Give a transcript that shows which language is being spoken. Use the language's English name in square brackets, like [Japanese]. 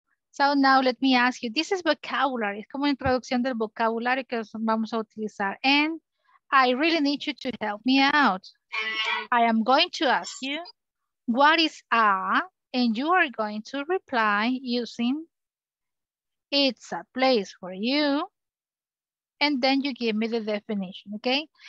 [English] So now let me ask you, this is vocabulary. [Spanish] Es como una introducción del vocabulario que vamos a utilizar. [English] And I really need you to help me out. I am going to ask you, what is a, and you are going to reply using, it's a place for you, and then you give me the definition, okay?